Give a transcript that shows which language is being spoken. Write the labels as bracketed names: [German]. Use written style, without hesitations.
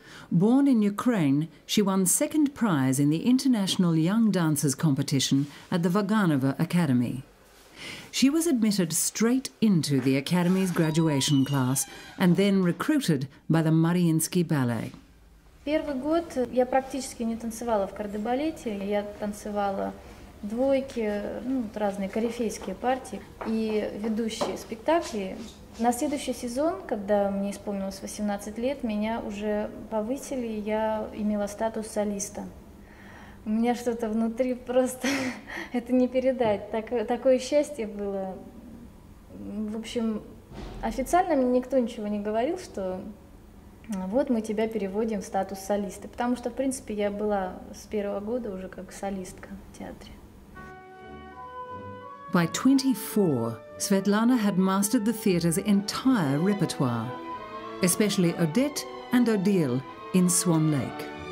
[English] Born in Ukraine, she won second prize in the International Young Dancers Competition at the Vaganova Academy. She was admitted straight into the Academy's graduation class and then recruited by the Mariinsky Ballet. [Russian] Первый год я практически не танцевала в кардебалете. Я танцевала двойки, ну, разные корифейские партии и ведущие спектакли. На следующий сезон, когда мне исполнилось 18 лет, меня уже повысили, я имела статус солиста. У меня что-то внутри просто это не передать. Такое счастье было. В общем, официально мне никто ничего не говорил, что вот мы тебя переводим в статус солиста. Потому что, в принципе, я была с первого года уже как солистка в театре. [English] By 24, Svetlana had mastered the theatre's entire repertoire, especially Odette and Odile in Swan Lake.